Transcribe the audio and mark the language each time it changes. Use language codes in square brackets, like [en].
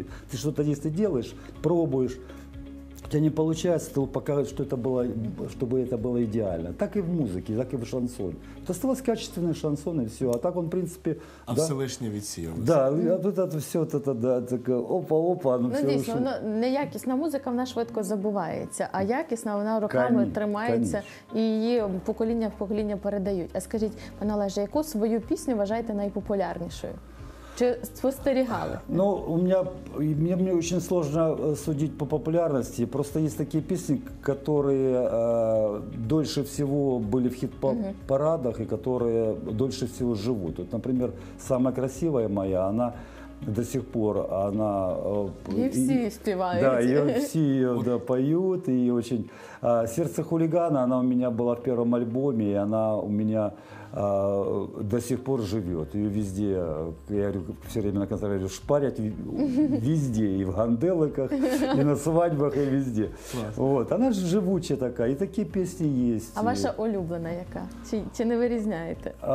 [ru] Ты что-то если делаешь, пробуешь, у тебя не получается, ты показываешь, что это было, чтобы это было идеально. Так и в музыке, так и в шансоне. Это осталось качественный шансон, и все. А так он, в принципе... [uk] А да, Всевышний відсіяв. [ru] Да, вот это все, вот это, да, так, опа-опа, ну все. [uk] Надеюсь, воно, неякісна музика, вона швидко забувається, а якісна, вона роками тримається, і її покоління в покоління передають. А скажіть, пане Олеже, яку свою пісню вважаєте найпопулярнішою? Чи спостерігали? Ну, у мене, мені дуже складно судити по популярності. Просто є такі пісні, які дольше всього були в хіт-парадах і які дольше всього живуть. От, наприклад, «Самая красивая моя», вона [ru] до сих пор, [uk] вона... І всі співають. Да, і всі її да, поють. І дуже... «Серце хулігана», вона у мене була в першому альбомі, і вона у мене... [ru] до сих пор живет. Ее везде, я говорю, все время на концерте говорю, шпарят везде, и в ганделыках, и на свадьбах, и везде. Вот. Она же живучая такая, и такие песни есть. [uk] А ваша улюбленная яка? Чи не вырезняете?